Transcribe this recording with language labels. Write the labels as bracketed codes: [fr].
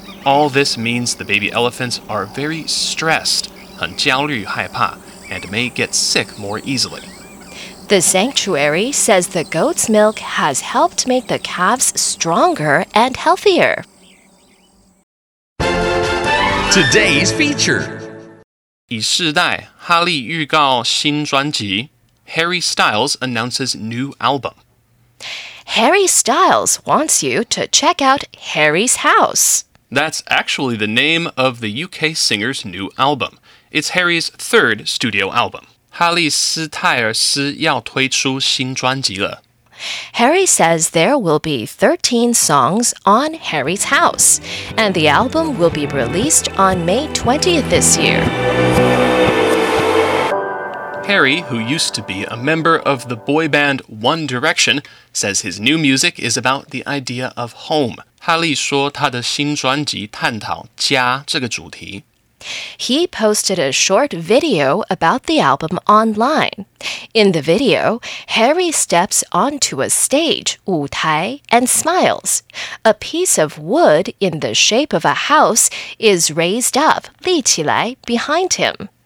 [en] All this means the baby elephants are very stressed, [zh] 很焦虑害怕。 [en] And may get sick more easily. The sanctuary says the goat's milk has helped make the calves stronger and healthier. Today's feature. [zh] 以世代，哈利预告新专辑。 [en] Harry Styles announces new album. Harry Styles wants you to check out Harry's House. That's actually the name of the UK singer's new album. It's Harry's third studio album. [zh] 哈利斯泰尔斯要推出新专辑了。 [en] Harry says there will be 13 songs on Harry's House, and the album will be released on May 20th this year. Harry, who used to be a member of the boy band One Direction, says his new music is about the idea of home. [zh] 哈利说他的新专辑探讨家这个主题。 [en] He posted a short video about the album online. In the video, Harry steps onto a stage, 舞台, and smiles. A piece of wood in the shape of a house is raised up, 立起来, behind him.